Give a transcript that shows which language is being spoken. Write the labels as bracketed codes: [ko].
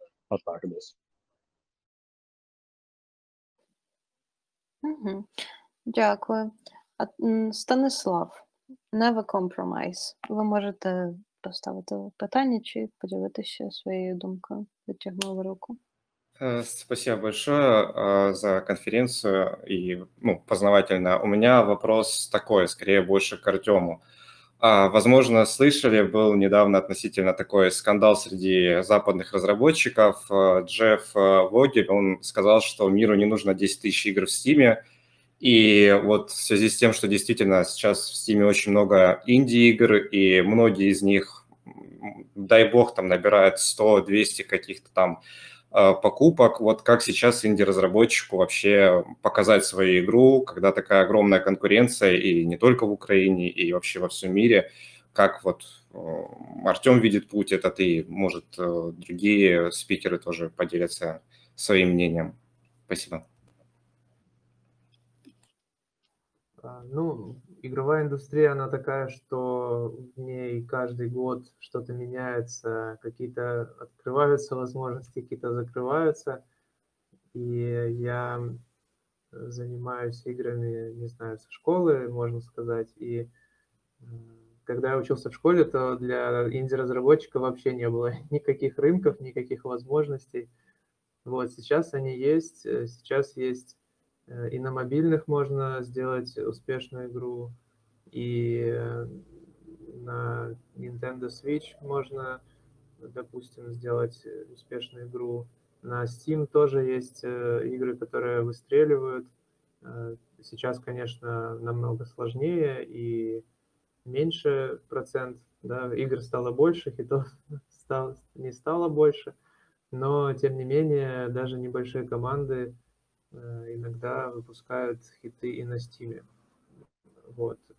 [uk] Отак десь. Дякую. Станислав, never compromise. Ви можете поставити питання чи поділитися своєю думкою, витягнув руку. [ru] Спасибо большое за конференцию и, ну, познавательно. У меня вопрос такой, скорее больше к Артему. Возможно, слышали, был недавно относительно такой скандал среди западных разработчиков. Джефф Вогель, он сказал, что миру не нужно 10 тысяч игр в Steam. И вот в связи с тем, что действительно сейчас в Steam очень много инди-игр, и многие из них, дай бог, там набирают 100-200 каких-то там покупок, вот как сейчас инди-разработчику вообще показать свою игру, когда такая огромная конкуренция и не только в Украине, и вообще во всем мире, как вот Артем видит путь этот, и, может, другие спикеры тоже поделятся своим мнением. Спасибо. Ну, игровая индустрия, она такая, что в ней каждый год что-то меняется, какие-то открываются возможности, какие-то закрываются. И я занимаюсь играми, не знаю, со школы, можно сказать. И когда я учился в школе, то для инди-разработчика вообще не было никаких рынков, никаких возможностей. Вот сейчас они есть, сейчас есть. И на мобильных можно сделать успешную игру, и на Nintendo Switch можно, допустим, сделать успешную игру. На Steam тоже есть игры, которые выстреливают. Сейчас, конечно, намного сложнее и меньше процент, да, игр стало больше, хитов не стало больше. Но, тем не менее, даже небольшие команды иногда выпускают хиты и на Стиме. Вот.